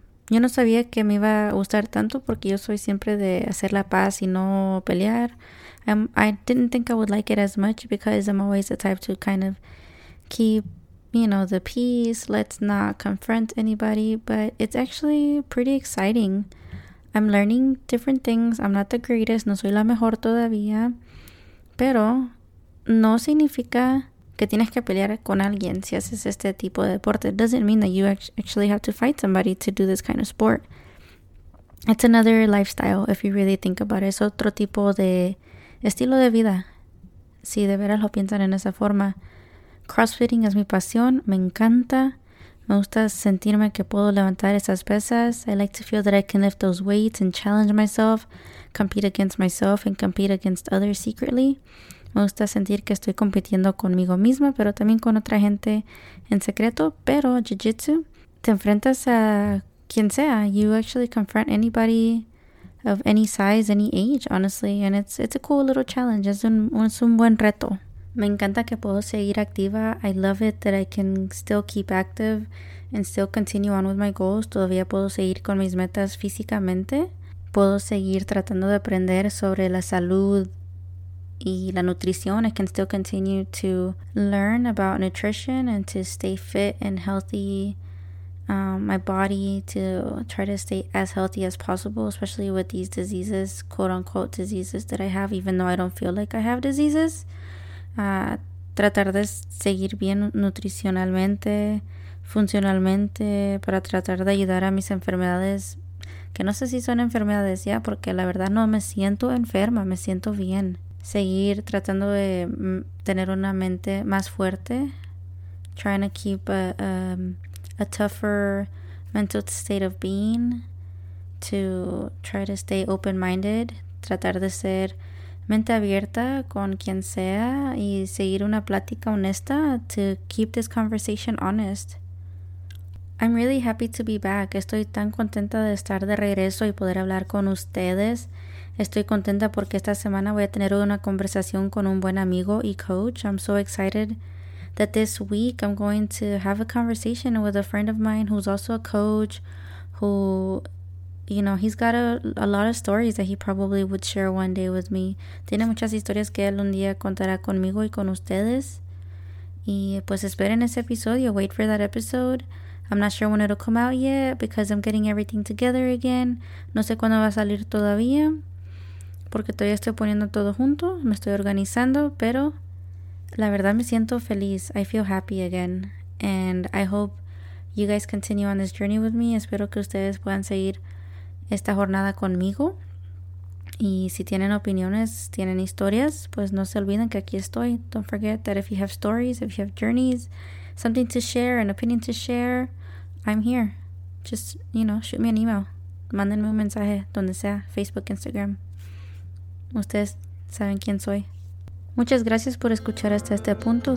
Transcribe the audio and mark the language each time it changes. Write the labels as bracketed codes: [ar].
[es] Yo no sabía que me iba a gustar tanto porque yo soy siempre de hacer la paz y no pelear. [en] I didn't think I would like it as much because I'm always the type to kind of keep, you know, the peace. Let's not confront anybody. But it's actually pretty exciting. I'm learning different things. I'm not the greatest. [es] No soy la mejor todavía. Pero no significa que tienes que pelear con alguien si haces este tipo de deporte. [en] It doesn't mean that you actually have to fight somebody to do this kind of sport. It's another lifestyle, if you really think about it. [es] Es otro tipo de estilo de vida. Si de veras lo piensan en esa forma. Crossfitting es mi pasión. Me encanta. Me gusta sentirme que puedo levantar esas pesas. [en] I like to feel that I can lift those weights and challenge myself, compete against myself and compete against others secretly. [es] Me gusta sentir que estoy compitiendo conmigo misma, pero también con otra gente en secreto. Pero jiu-jitsu, te enfrentas a quien sea. [en] You actually confront anybody of any size, any age, honestly. And it's a cool little challenge. [es] Es un buen reto. Me encanta que puedo seguir activa. [en] I love it that I can still keep active and still continue on with my goals. [es] Todavía puedo seguir con mis metas físicamente. Puedo seguir tratando de aprender sobre la salud y la nutrición. [en] I can still continue to learn about nutrition and to stay fit and healthy. My body to try to stay as healthy as possible, especially with these diseases, quote-unquote diseases that I have, even though I don't feel like I have diseases. [es] Tratar de seguir bien nutricionalmente, funcionalmente, para tratar de ayudar a mis enfermedades, que no sé si son enfermedades ya, porque la verdad no me siento enferma, me siento bien. Seguir tratando de tener una mente más fuerte, [en] trying to keep a tougher mental state of being, to try to stay open-minded, [es] tratar de ser mente abierta con quien sea y seguir una plática honesta [en] to keep this conversation honest. I'm really happy to be back. [es] Estoy tan contenta de estar de regreso y poder hablar con ustedes. Estoy contenta porque esta semana voy a tener una conversación con un buen amigo y coach. [en] I'm so excited that this week I'm going to have a conversation with a friend of mine who's also a coach, who, you know, he's got a lot of stories that he probably would share one day with me. [es] Tiene muchas historias que él un día contará conmigo y con ustedes. Y pues esperen ese episodio. [en] Wait for that episode. I'm not sure when it'll come out yet because I'm getting everything together again. [es] No sé cuándo va a salir todavía porque todavía estoy poniendo todo junto. Me estoy organizando, pero la verdad me siento feliz. [en] I feel happy again. And I hope you guys continue on this journey with me. [es] Espero que ustedes puedan seguir esta jornada conmigo. Y si tienen opiniones, tienen historias, pues no se olviden que aquí estoy. [en] Don't forget that if you have stories, if you have journeys, something to share, an opinion to share, I'm here. Just, you know, shoot me an email. [es] Mándenme un mensaje, donde sea, [en] Facebook, Instagram. [es] Ustedes saben quién soy. Muchas gracias por escuchar hasta este punto.